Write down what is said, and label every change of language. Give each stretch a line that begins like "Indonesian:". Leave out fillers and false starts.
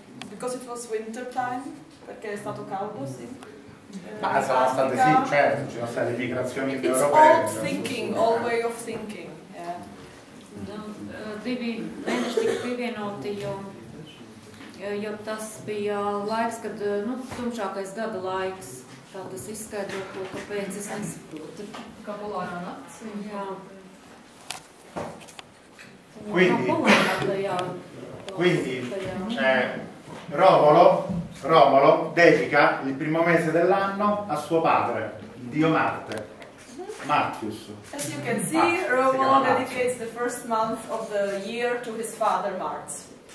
English: Because it was winter time,
Italian: perché è stato caldo, sì. Ma sono state, sì, certo, ci sono state migrazioni in Europa.
English: It's old thinking, old way of thinking, yeah.
Latvian: Jo tas bija laiks, kad, nu, tumšākais gada laiks, tā tas izskaidro to, kāpēc es nesaprotu. Kā polārā nakts? Jā.
Italian: Quindi, Romolo dedica il primo mese dell'anno a suo padre, il dio Marte. Marcius.
English: As you can see, Romolo dedicates the first month of the year to his father, Mars.